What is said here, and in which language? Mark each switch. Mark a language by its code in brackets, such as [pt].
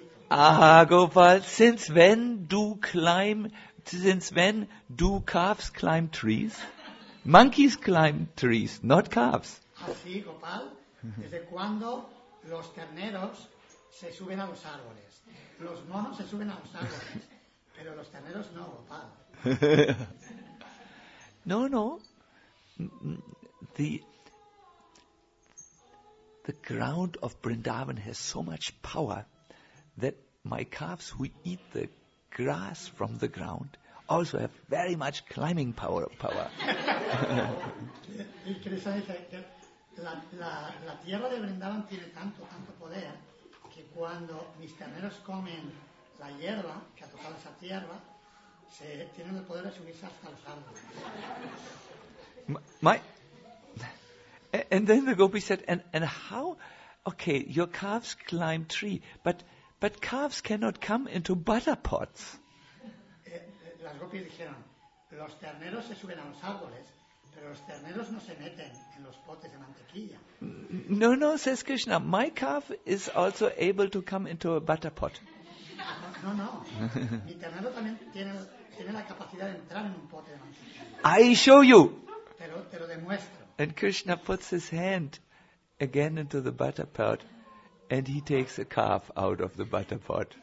[en] Ah, Gopal, since when do calves climb trees? Monkeys climb trees, not calves. [es] Así, Gopal, desde cuando los terneros se suben a los árboles. Los monos se suben a los árboles, pero los terneros no, Gopal. [en] No. The ground of Vrindavan has so much power that my calves who eat the grass from the ground also have very much climbing power. [es] Y Krishna dice que la tierra de Vrindavan tiene tanto poder que cuando mis terneros comen la hierba que ha tocado esa tierra, se tienen el poder de subirse hasta los árboles. [en] And then the gopi said, and how? Okay, your calves climb tree, but calves cannot come into butter pots. [es] Las gopis dijeron, los terneros se suben a los árboles, pero los terneros no se meten en los potes de mantequilla. [en] No, says Krishna, my calf is also able to come into a butter pot. [es] No. Mi ternero también tiene la capacidad de entrar en un pote de mantequilla. [en] I show you. [es] Te lo demuestro. [en] And Krishna puts his hand again into the butter pot, and he takes a calf out of the butter pot.